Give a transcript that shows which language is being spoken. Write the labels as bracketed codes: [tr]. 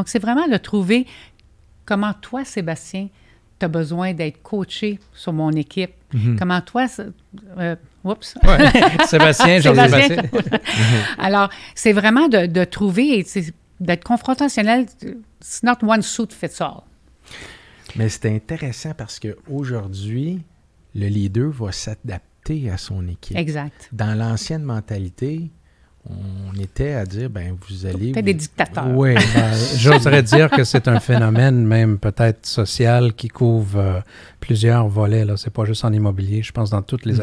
[fr] Donc, c'est vraiment de trouver comment toi, Sébastien, tu as besoin d'être coaché sur mon équipe. Mm-hmm. Comment toi... Oups! Ouais. Sébastien, Jean-Sébastien. Alors, c'est vraiment de trouver, d'être confrontationnel. [en] It's not one suit fits all. [fr] Mais c'est intéressant parce qu'aujourd'hui, le leader va s'adapter à son équipe. Exact. Dans l'ancienne mentalité, on était à dire, ben vous allez... Peut-être des dictateurs. Oui, ben, j'oserais dire que c'est un phénomène même peut-être social qui couvre plusieurs volets. Là. C'est pas juste en immobilier. Je pense que dans tous les mm-hmm.